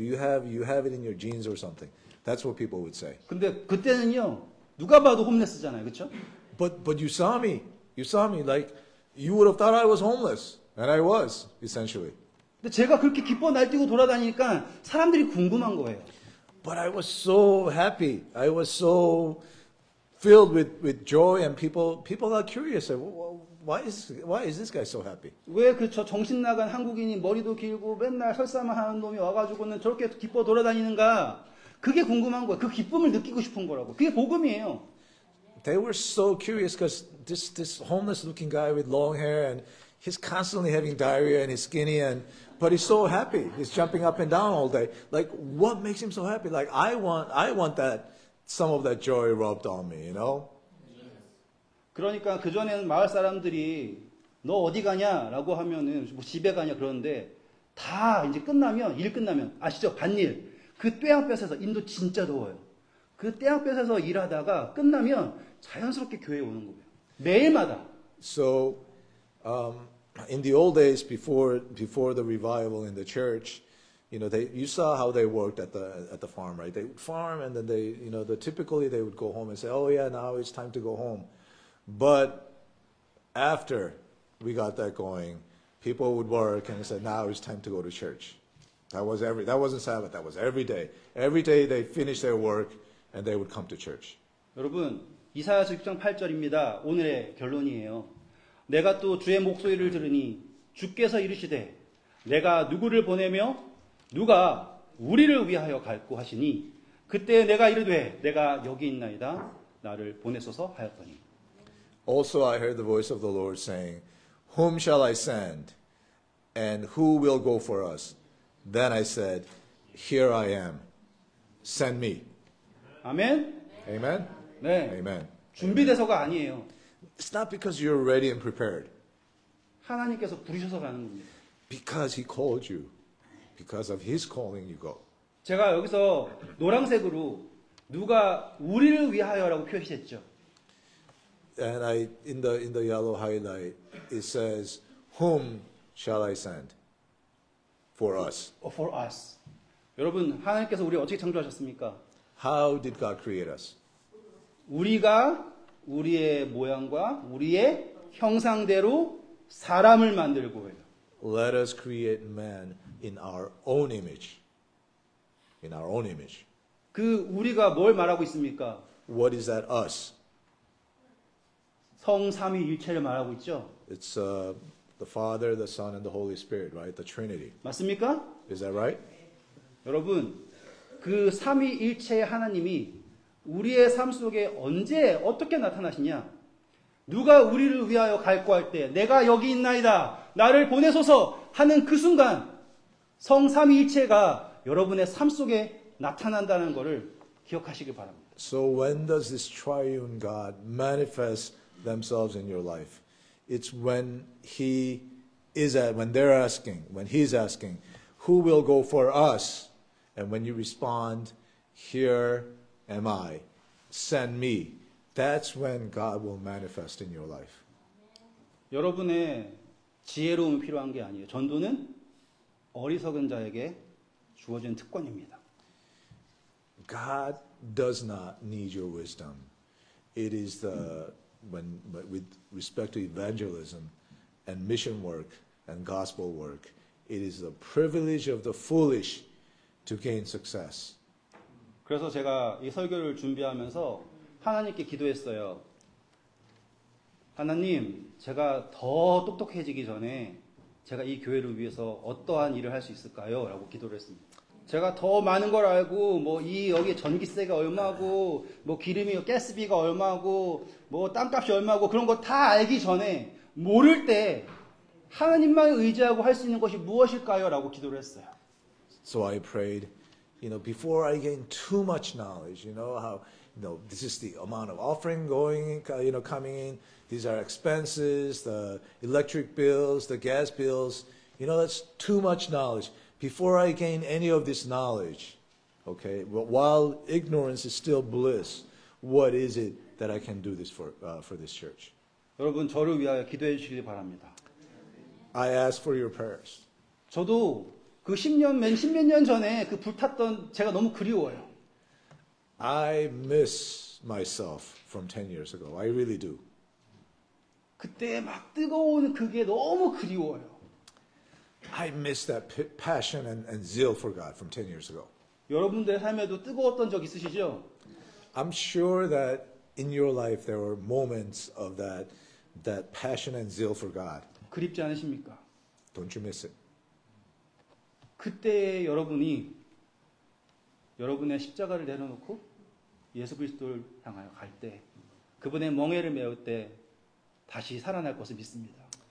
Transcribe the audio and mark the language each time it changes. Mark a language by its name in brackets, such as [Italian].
[English] You have it in your genes or something." That's what people would say. [Korean] 근데 그때는요 누가 봐도 홈리스잖아요, 그렇죠? [English] But you saw me. You saw me. Like you would have thought I was homeless, and I was essentially. [Korean] 근데 제가 그렇게 기뻐 날뛰고 돌아다니니까 사람들이 궁금한 거예요. [English] But I was so happy. I was so filled with joy, and people got curious. Why is this guy so happy? [Korean] 왜 그 저 정신 나간 한국인이 머리도 길고 맨날 설사만 하는 놈이 와가지고는 저렇게 기뻐 돌아다니는가? 그게 궁금한 거예요. 그 기쁨을 느끼고 싶은 거라고. 그게 복음이에요. [English] They were so curious because this homeless looking guy with long hair and he's constantly having diarrhea and he's skinny and but he's so happy. He's jumping up and down all day. Like what makes him so happy? Like I want that some of that joy rubbed on me, you know? [Korean] 그러니까 그전에는 마을 사람들이 너 어디 가냐라고 하면은 뭐 집에 가냐 그러는데 다 이제 끝나면 일 끝나면 아시죠? 밭일. 그 떼양볕에서 인도 진짜 더워요. 그 떼양볕에서 일하다가 끝나면 자연스럽게 교회에 오는 거예요. 매일마다. [English] So in the old days before the revival in the church, you know, you saw how they worked at the farm, right? They would farm and then they, you know, typically they would go home and say, "Oh yeah, now it's time to go home." But after we got that going, people would work and say, "Now it's time to go to church." That wasn't Sabbath. That was every day. Every day they finished their work and they would come to church. [Korean] 여러분, 이사야 6장 8절입니다. 오늘의 결론이에요. 내가 또 주의 목소리를 들으니 주께서 이르시되 내가 누구를 보내며 누가 우리를 위하여 갈고 하시니 그때 내가 이르되 내가 여기 있나이다 나를 보내소서 하였더니. [English] Also I heard the voice of the Lord saying, "Whom shall I send? And who will go for us?" Then I said, "Here I am. Send me." Amen. Amen. [Korean] 네. [English] Amen. [Korean] 준비돼서가 아니에요. [English] It's not because you're ready and prepared. [Korean] 하나님께서 부르셔서 가는 겁니다. [English] Because He called you. Because of His calling, you go. [Korean] 제가 여기서 노란색으로 누가 우리를 위하여라고 표시했죠. [English] And I in the yellow highlight, it says, "Whom shall I send?" For us. For us. [Korean] 여러분, 하나님께서 우리 어떻게 창조하셨습니까? [English] How did God create us? [Korean] 우리가 우리의 모양과 우리의 형상대로 사람을 만들고 해요. [English] Let us create man in our own image. In our own image. [Korean] 그 우리가 뭘 말하고 있습니까? [English] What is that us? [Korean] 성삼위일체를 말하고 있죠. [English] It's a The Father, the Son, and the Holy Spirit, right? The Trinity. [Korean] 맞습니까? [English] Is that right? [Korean] 여러분, 그 삼위일체의 하나님이 우리의 삶 속에 언제 어떻게 나타나시냐? 누가 우리를 위하여 갈고 할 때, 내가 여기 있나이다, 나를 보내소서 하는 그 순간, 성삼위일체가 여러분의 삶 속에 나타난다는 것을 기억하시길 바랍니다. [English] So when does this triune God manifest themselves in your life? It's when he is at, when they're asking, when he's asking, "Who will go for us?" And when you respond, "Here am I, send me," that's when God will manifest in your life. [Korean] 여러분의 지혜로움이 필요한 게 아니에요. 전도는 어리석은 자에게 주어진 특권입니다. [English] God does not need your wisdom. It is the with respect to evangelism and mission work and gospel work, it is the privilege of the foolish to gain success. [Korean] 그래서 제가 이 설교를 준비하면서 하나님께 기도했어요. 하나님, 제가 더 똑똑해지기 전에 제가 이 교회를 위해서 어떠한 일을 할 수 있을까요? 라고 기도를 했습니다. 제가 더 많은 걸 알고 뭐 이 여기 전기세가 얼마고 뭐 기름이 가스비가 얼마고 뭐 땅값이 얼마고 그런 거 다 알기 전에 모를 때 하나님만 의지하고 할 수 있는 것이 무엇일까요? 라고 기도를 했어요. [English] So I prayed, you know, before I gain too much knowledge, you know, how, you know, this is the amount of offering going, you know, coming in. These are expenses, the electric bills, the gas bills. You know, that's too much knowledge. Before I gain any of this knowledge, okay, while ignorance is still bliss, what is it that I can do this for this church? [Korean] 여러분, 저를 위하여 기도해 주시기 바랍니다. [English] I ask for your prayers. [Korean] 저도 그 십몇 년 전에 그 불탔던 제가 너무 그리워요. [English] I miss myself from 10 years ago. I really do. [Korean] 그때 막 뜨거운 그게 너무 그리워요. [English] I miss that passion and zeal for God from 10 years ago. [Korean] 여러분들의 삶에도 뜨거웠던 적 있으시죠? [English] I'm sure that in your life there were moments of that passion and zeal for God. [Korean] 그립지 않으십니까? [English] Don't you miss it? [Korean] 그때 여러분이 여러분의 십자가를 내려놓고 예수 그리스도를 향하여 갈 때 그분의 멍에를 메울 때 다시 살아날 것을 믿습니다.